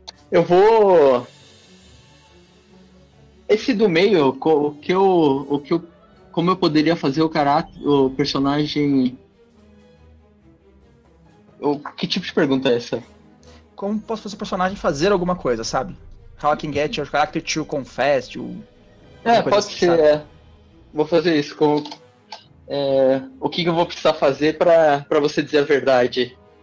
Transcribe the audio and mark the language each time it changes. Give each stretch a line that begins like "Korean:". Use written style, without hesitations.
Portuguese: Eu vou... Esse do meio, como eu poderia fazer o caráter, o personagem... Que tipo de pergunta é essa? Como posso fazer o personagem fazer alguma coisa, sabe?
English: How I can get your character to confess, ou...
Portuguese: É, pode assim, ser, Vou fazer isso com... o que eu vou precisar fazer pra você dizer a verdade?